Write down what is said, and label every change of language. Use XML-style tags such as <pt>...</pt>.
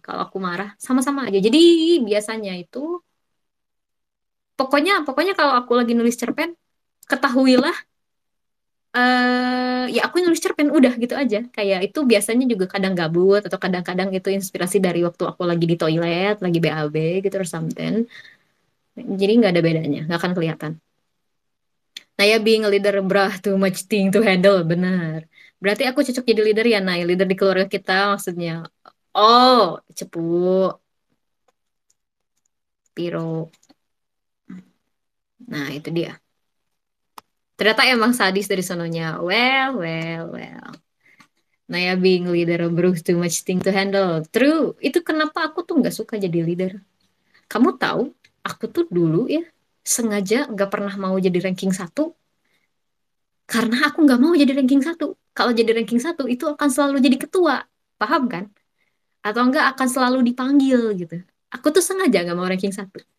<id>Kalau aku marah, sama-sama aja. Jadi biasanya itu, pokoknya kalau aku lagi nulis cerpen, ketahuilah, ya aku nulis cerpen udah gitu aja. Kayak itu biasanya juga kadang gabut atau kadang-kadang itu inspirasi dari waktu aku lagi di toilet, lagi BAB gitu</id> <en>or something.</en> <id>Jadi nggak ada bedanya, nggak akan kelihatan.</id> <en>Nah ya, being a leader, bruh, too much thing to handle, benar.</en> <id>Berarti aku cocok jadi leader ya, Nay? Leader di keluarga kita maksudnya. Oh, cepu. Piro. Nah, itu dia. Ternyata emang sadis dari sononya.</id> <en>Well, well, well. Naya being leader, bro, too much thing to handle. True.</en> <id>Itu kenapa aku tuh nggak suka jadi leader. Kamu tahu, aku tuh dulu ya, sengaja nggak pernah mau jadi ranking satu. Karena aku nggak mau jadi ranking satu. Kalau jadi ranking satu, itu akan selalu jadi ketua. Paham kan? Atau enggak akan selalu dipanggil gitu. Aku tuh sengaja nggak mau ranking satu.</id>